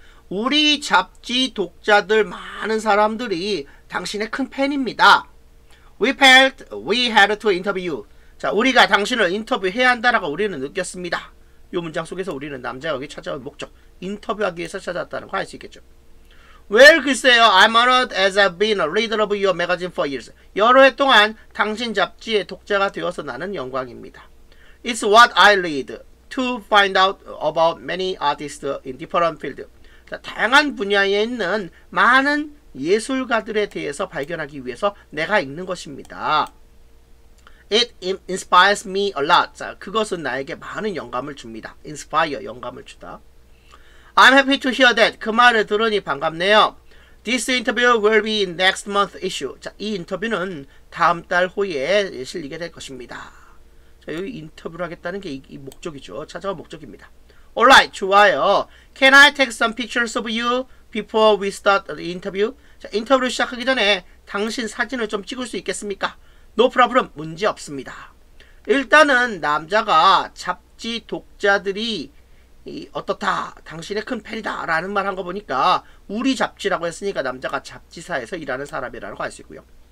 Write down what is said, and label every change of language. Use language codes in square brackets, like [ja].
[ko] 우리 잡지 독자들 많은 사람들이 당신의 큰 팬입니다. [en] We felt we had to interview you. [ko] 자, 우리가 당신을 인터뷰해야 한다라고 우리는 느꼈습니다. 이 문장 속에서 우리는 남자가 여기 찾아온 목적, 인터뷰하기 위해서 찾아왔다는 거 알 수 있겠죠. Well, 글쎄요. [en] I'm honored as I've been a reader of your magazine for years. [ko] 여러 해 동안 당신 잡지의 독자가 되어서 나는 영광입니다. [en] It's what I read to find out about many artists in different fields. [ko] 다양한 분야에 있는 많은 예술가들에 대해서 발견하기 위해서 내가 읽는 것입니다. [en] It inspires me a lot. [ko] 자, 그것은 나에게 많은 영감을 줍니다. [en] Inspire, [ko] 영감을 주다. [en] I'm happy to hear that. [ko] 그 말을 들으니 반갑네요. [en] This interview will be next month issue. [ko] 자, 이 인터뷰는 다음 달 후에 실리게 될 것입니다. 자, 여기 인터뷰를 하겠다는 게 이 목적이죠. 찾아온 목적입니다. Alright, 좋아요. [en] Can I take some pictures of you before we start the interview? [ko] 자, 인터뷰를 시작하기 전에 당신 사진을 좀 찍을 수 있겠습니까? [en] No problem. [ko] 문제 없습니다. 일단은 남자가 잡지 독자들이 어떻다, 당신의 큰 팬이다 라는 말 한 거 보니까 우리 잡지라고 했으니까 남자가 잡지사에서 일하는 사람이라는 거 알 수 있고요.